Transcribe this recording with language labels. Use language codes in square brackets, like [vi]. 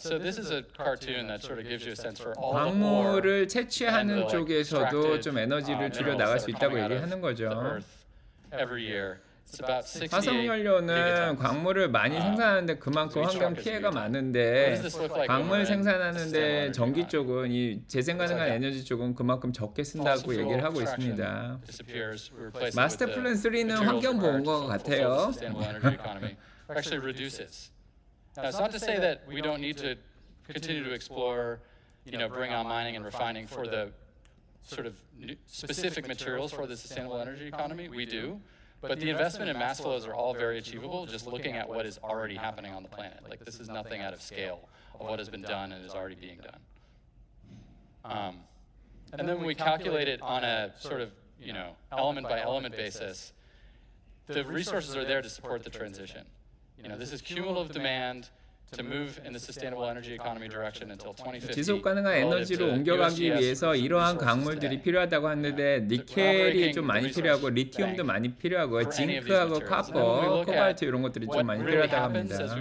[en] So this is a cartoon that sort of gives you a sense for all the ore. [ko] 광물을 채취하는 쪽에서도 좀 에너지를 줄여 나갈 수 있다고 얘기하는 거죠. [en] Every year, it's about 68 gigatons. [ko] 화석 연료는 광물을 많이 생산하는데 그만큼 환경 피해가 많은데 광물 생산하는데 전기 쪽은 이 재생 가능한 에너지 쪽은 그만큼 적게 쓴다고 얘기를 하고 있습니다. 마스터 플랜 3는 환경 보호인 것 같아요. [en] Actually reduces. Now, it's not to say that we don't need to continue to explore, you know, bring on mining and refining for the sort of specific materials for the sustainable energy economy. We do, but the investment in mass flows are all very achievable. Just looking at what is already happening on the planet, like this is nothing out of scale of what has been done and is already being done. And then when we calculate it on a sort of, you know, element by element basis, the resources are there to support the transition. You know, this is cumulative demand to move in the sustainable energy economy direction until 2050. [ko] 지속 가능한 에너지로 옮겨가기 위해서 이러한 광물들이 필요하다고 하는데 니켈이 좀 많이 필요하고 리튬도 많이 필요하고 징크하고 카퍼, 코발트 이런 것들이 좀 많이 필요하다고 합니다.